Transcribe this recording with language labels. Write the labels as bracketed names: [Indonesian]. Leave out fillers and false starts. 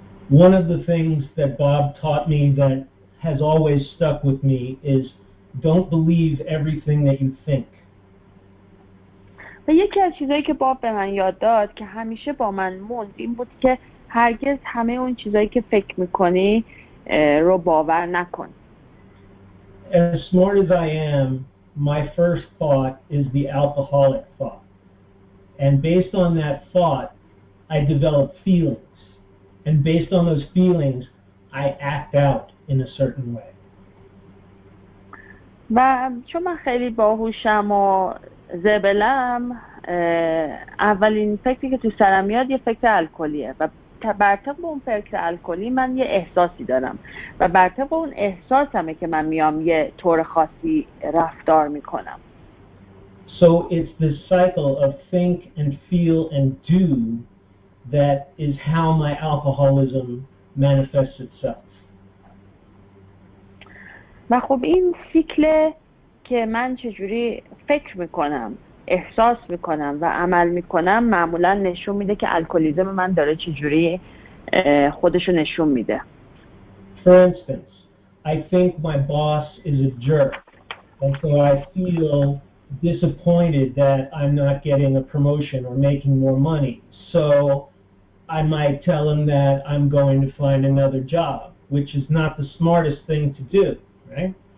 [English] One of the things that Bob taught me that has always stuck with me is don't believe everything that you think. [Persian] و یکی از چیزایی که باب به من یاد داد که همیشه با من موند این بود که هرگز همه اون چیزایی که فکر می‌کنی رو باور نکن. [English] As smart as I am, my first thought is the alcoholic thought. And based on that thought, I develop feelings. And based on those feelings, I act out in a certain way. [Persian] و چون من خیلی باهوشم و زبلم، اولین فکری که تو سرم میاد یه فکر الکلیه و برطبق اون فکر الکلی من یه احساسی دارم و برطبق اون احساسمه که من میام یه طور خاصی رفتار میکنم. [English] So it's the cycle of think and feel and do that is how my alcoholism manifests itself. [Persian] و خب این سیکل که من چجوری فکر میکنم احساس میکنم و عمل میکنم معمولا نشون میده که الکلیزم من داره چجوری خودشو نشون میده. [English] For instance, I think my boss is a jerk and so I feel disappointed that I'm not getting a promotion or making more money. So I might tell him that I'm going to find another job, which is not the smartest thing to do, right?